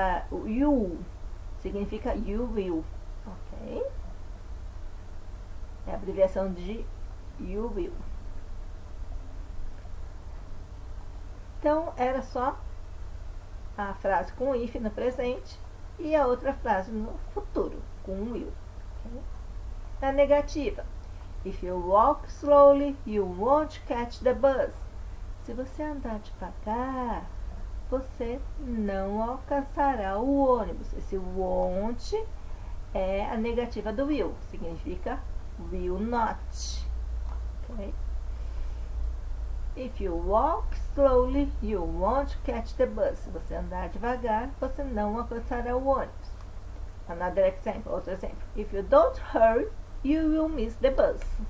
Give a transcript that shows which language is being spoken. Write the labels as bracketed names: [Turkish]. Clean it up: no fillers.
[Portuguese] O you significa you will, ok? É a abreviação de you will. Então, era só a frase com if no presente e a outra frase no futuro, com will. [English] Okay? [Portuguese] Na negativa, [English] if you walk slowly, you won't catch the bus. [Portuguese] Se você andar devagar, você não alcançará o ônibus. Esse won't é a negativa do will, significa will not. Okay? [English] If you walk slowly, you won't catch the bus. [Portuguese] Se você andar devagar, você não alcançará o ônibus. [English] Another example, [Portuguese] outro exemplo. [English] If you don't hurry, you will miss the bus.